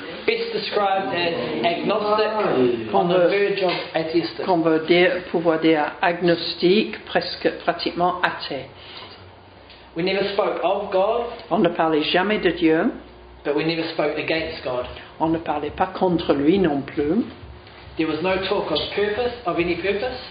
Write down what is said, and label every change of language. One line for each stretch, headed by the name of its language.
English: It's described as agnostic, on the verge of atheistic.
French: Qu'on veut dire, pouvoir dire agnostique, presque pratiquement athée.
English: We never spoke of God.
French: On ne parlait jamais de Dieu.
English: But we never spoke against God.
French: On ne parlait pas contre lui non plus.
English: There was no talk of purpose, of any purpose.